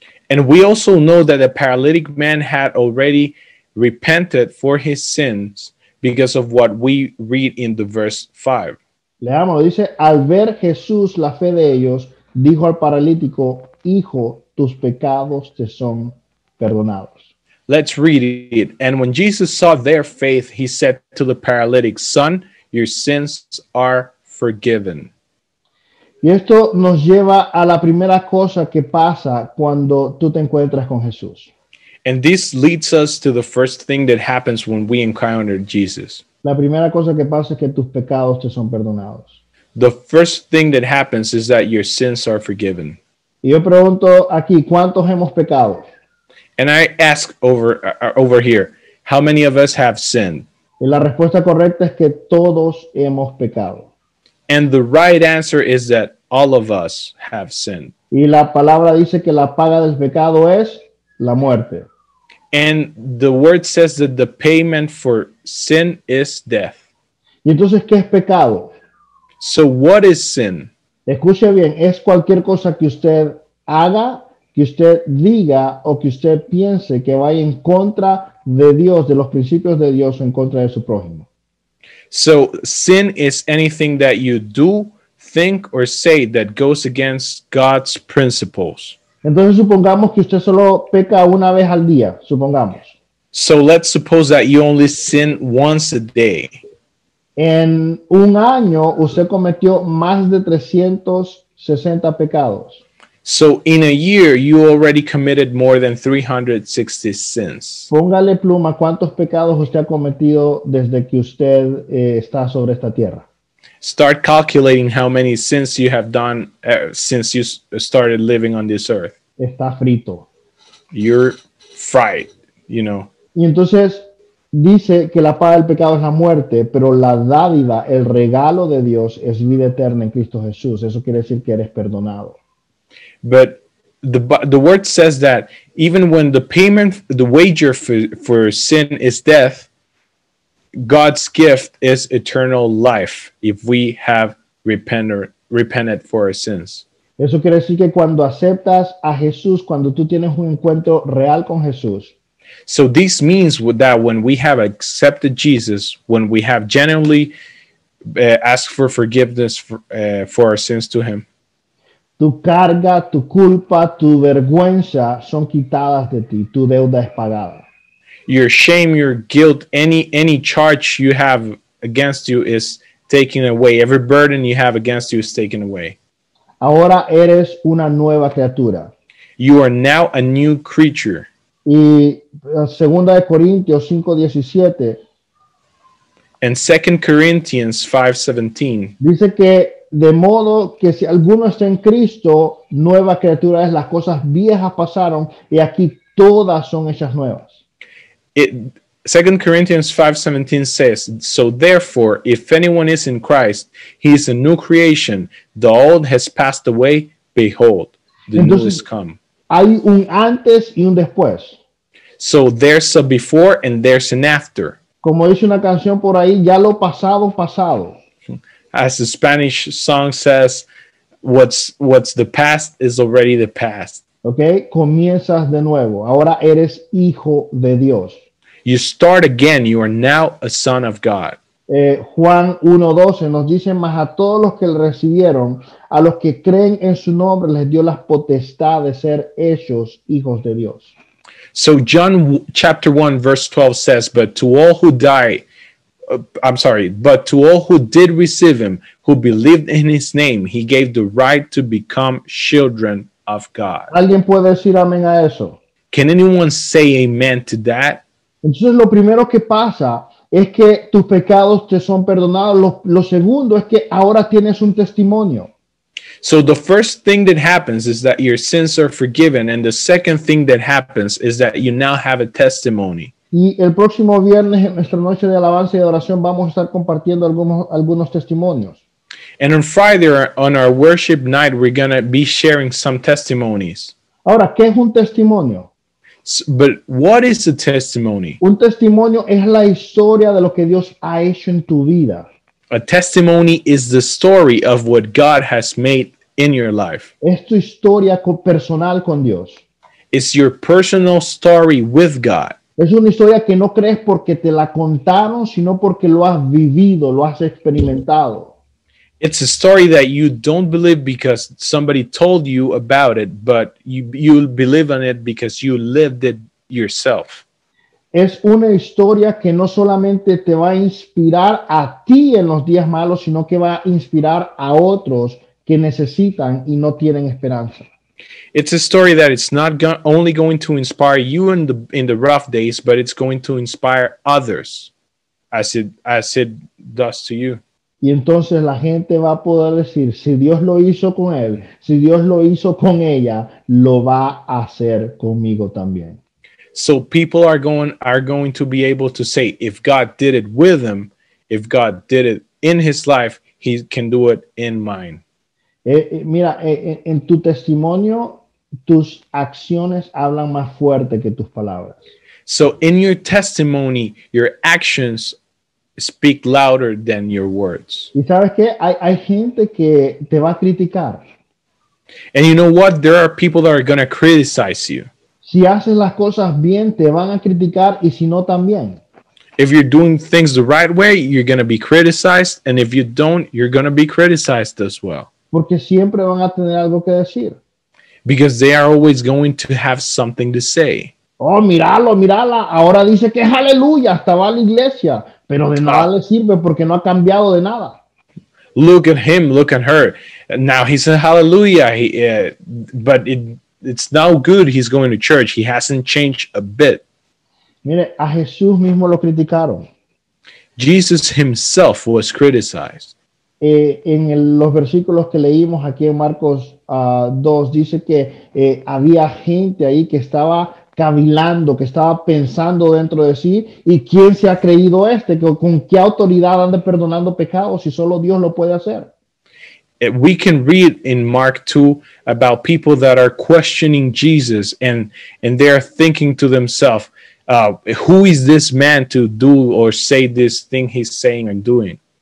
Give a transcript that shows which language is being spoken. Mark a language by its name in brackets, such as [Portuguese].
[English] And we also know that the paralytic man had already repented for his sins because of what we read in the verse 5. [Spanish] Leamos, dice, al ver Jesús la fe de ellos, dijo al paralítico, hijo, tus pecados te son perdonados. [English] Let's read it. And when Jesus saw their faith, he said to the paralytic, son, your sins are forgiven. [Spanish] Y esto nos lleva a la primera cosa que pasa cuando tú te encuentras con Jesús. [English] And this leads us to the first thing that happens when we encounter Jesus. [Spanish] La primera cosa que pasa es que tus pecados te son perdonados. [English] The first thing that happens is that your sins are forgiven. [Spanish] Y yo pregunto aquí, ¿cuántos hemos pecado? [English] And I ask over here, how many of us have sinned? [Spanish] Y la respuesta correcta es que todos hemos pecado. [English] And the right answer is that all of us have sinned. [Spanish] Y la palabra dice que la paga del pecado es la muerte. [English] And the word says that the payment for sin is death. [Spanish] Y entonces, ¿qué es pecado? [English] So what is sin? [Spanish] Escuche bien, es cualquier cosa que usted haga, que usted diga o que usted piense que vaya en contra de Dios, de los principios de Dios o en contra de su prójimo. [English] So, sin is anything that you do, think or say that goes against God's principles. [Spanish] Entonces, supongamos que usted solo peca una vez al día, supongamos. [English] So, let's suppose that you only sin once a day. [Spanish] En un año, usted cometió más de 360 pecados. [English] So in a year, you already committed more than 360 sins. [Spanish] Póngale pluma, ¿cuántos pecados usted ha cometido desde que usted está sobre esta tierra? [English] Start calculating how many sins you have done since you started living on this earth. [Spanish] Está frito. [English] You're fried, you know. [Spanish] Y entonces dice que la paga del pecado es la muerte, pero la dádiva, el regalo de Dios es vida eterna en Cristo Jesús. Eso quiere decir que eres perdonado. [English] But the word says that even when the payment, the wager for sin is death, God's gift is eternal life if we have repented for our sins. [Spanish] Eso quiere decir que cuando aceptas a Jesús, cuando tú tienes un encuentro real con Jesús. [English] So this means that when we have accepted Jesus, when we have genuinely asked for forgiveness for our sins to him. [Spanish] Tu carga, tu culpa, tu vergüenza son quitadas de ti. Tu deuda es pagada. [English] Your shame, your guilt, any charge you have against you is taken away. Every burden you have against you is taken away. [Spanish] Ahora eres una nueva criatura. [English] You are now a new creature. [Spanish] Y segunda de Corintios 5:17. [English] And 2 Corinthians 5:17. [Spanish] Dice que de modo que si alguno está en Cristo, nueva criatura es, las cosas viejas pasaron y aquí todas son hechas nuevas. [English] 2 Corinthians 5:17 says, so therefore, if anyone is in Christ, he is a new creation. The old has passed away. Behold, the [Spanish] Entonces, [English] new is come. [Spanish] Hay un antes y un después. [English] So there's a before and there's an after. [Spanish] Como dice una canción por ahí, ya lo pasado, pasado. [English] As the Spanish song says, what's the past is already the past. [Spanish] Okay, comienzas de nuevo. Ahora eres hijo de Dios. [English] You start again. You are now a son of God. [Spanish] Juan 1:12 nos dice, más a todos los que le recibieron, a los que creen en su nombre, les dio la potestad de ser hechos hijos de Dios. [English] So John chapter 1 verse 12 says, but to all who died, I'm sorry, but to all who did receive him, who believed in his name, he gave the right to become children of God. [Spanish] ¿Alguien puede decir amén a eso? [English] Can anyone say amen to that? [Spanish] Entonces lo primero que pasa es que tus pecados te son perdonados. Lo segundo es que ahora tienes un testimonio. [English] So the first thing that happens is that your sins are forgiven, and the second thing that happens is that you now have a testimony. [Spanish] Y el próximo viernes en nuestra noche de alabanza y de oración vamos a estar compartiendo algunos testimonios. [English] And on Friday on our worship night we're going to be sharing some testimonies. [Spanish] Ahora, ¿qué es un testimonio? [English] But what is a testimony? [Spanish] Un testimonio es la historia de lo que Dios ha hecho en tu vida. [English] A testimony is the story of what God has made in your life. [Spanish] Es tu historia personal con Dios. [English] It's your personal story with God. [Spanish] Es una historia que no crees porque te la contaron, sino porque lo has vivido, lo has experimentado. [English] It's a story that you don't believe because somebody told you about it, but you believe in it because you lived it yourself. [Spanish] Es una historia que no solamente te va a inspirar a ti en los días malos, sino que va a inspirar a otros que necesitan y no tienen esperanza. [English] It's a story that it's not only going to inspire you in the rough days, but it's going to inspire others as it does to you. [Spanish] Y entonces la gente va a poder decir, si Dios lo hizo con él, si Dios lo hizo con ella, lo va a hacer conmigo también. [English] So people are going to be able to say, if God did it with him, if God did it in his life, he can do it in mine. [Spanish] Mira, en tu testimonio, tus acciones hablan más fuerte que tus palabras. [English] So in your testimony, your actions speak louder than your words. [Spanish] ¿Y sabes qué? Hay gente que te va a criticar. [English] And you know what? There are people that are going to criticize you. [Spanish] Si haces las cosas bien, te van a criticar, y si no, también. [English] If you're doing things the right way, you're going to be criticized. And if you don't, you're going to be criticized as well. [Spanish] Porque siempre van a tener algo que decir. [English] Because they are always going to have something to say. [Spanish] Oh, míralo, mírala. Ahora dice que es aleluya, hasta va a la iglesia. Pero de nada le sirve porque no ha cambiado de nada. [English] Look at him, look at her. Now he's a hallelujah, but it's no good. He's going to church. He hasn't changed a bit. [Spanish] Mire, a Jesús mismo lo criticaron. [English] Jesus himself was criticized. [Spanish] En los versículos que leímos aquí en Marcos 2, dice que había gente ahí que estaba cavilando, que estaba pensando dentro de sí, y ¿quién se ha creído este? ¿Con qué autoridad anda perdonando pecados si solo Dios lo puede hacer? [English] We can read in Mark 2 about people that are questioning Jesus and they're thinking to themselves, who is this man to do or say this thing he's saying and doing?